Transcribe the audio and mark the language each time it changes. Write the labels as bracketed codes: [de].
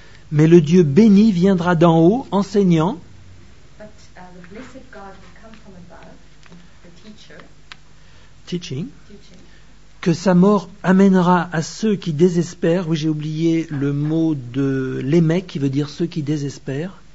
[fr] Mais le Dieu béni viendra d'en haut, enseignant. [en] But, the blessed God will come from above, the teacher, teaching. [fr] Que sa mort amènera à ceux qui désespèrent. Oui, j'ai oublié le mot de l'émec qui veut dire ceux qui désespèrent.